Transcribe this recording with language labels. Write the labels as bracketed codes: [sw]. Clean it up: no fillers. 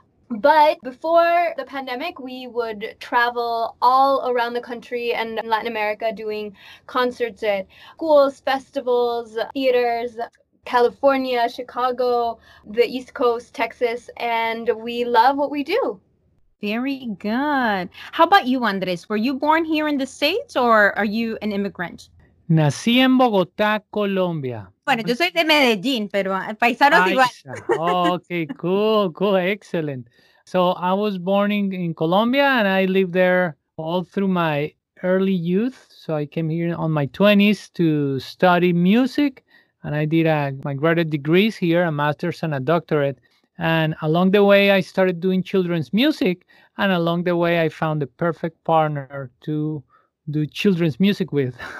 [en] But before the pandemic, we would travel all around the country and Latin America doing concerts at schools, festivals, theaters, California, Chicago, the East Coast, Texas, and we love what we do. Very good. How about you, Andrés? Were you born here in the States or are you an immigrant? [es] Nací en Bogotá, Colombia. Bueno, yo soy de Medellín, pero paisanos igual. [en] Okay, cool, cool, excellent. So I was born in Colombia and I lived there all through my early youth. So I came here on my 20s to study music and I did my graduate degrees here, a master's and a doctorate. And along the way, I started doing children's music. And along the way, I found the perfect partner to do children's music with.